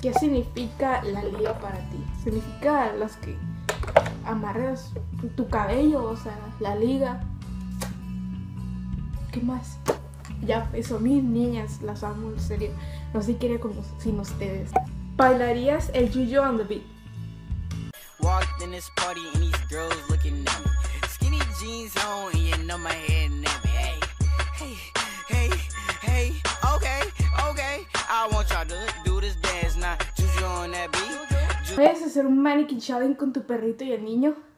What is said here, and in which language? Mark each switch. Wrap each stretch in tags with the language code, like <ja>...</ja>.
<es>¿Qué significa la liga para ti? Significa los que amarras tu cabello, o sea, la liga. ¿Qué más? Ya, son mis niñas, las amo, en serio. No sé qué haría como sin ustedes. ¿Bailarías el Juju on the Beat?</es> <en>Walked in this party and these girls looking at me. Skinny jeans on and you know my head and heavy. Hey, hey, hey, hey, okay, okay. I want y'all to do this dance now. Juju on that beat.</en> <es>¿Puedes hacer un mannequin challenge con tu perrito y el niño?</es>